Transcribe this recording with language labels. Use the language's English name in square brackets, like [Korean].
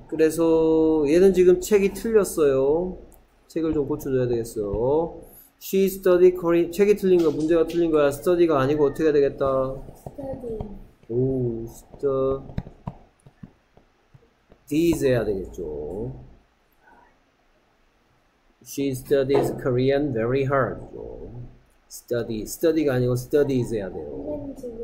[Korean] 그래서 얘는 지금 책이 틀렸어요. 책을 좀 고쳐줘야 되겠어. [English] She studied Korean. [Korean] 책이 틀린 거, 문제가 틀린 거야. Study가 아니고 어떻게 해야 되겠다? [English] Study. [Korean] 오, these 해야 되겠죠. [English] She studies Korean very hard. Study. [Korean] Study가 아니고 studies 해야 돼요.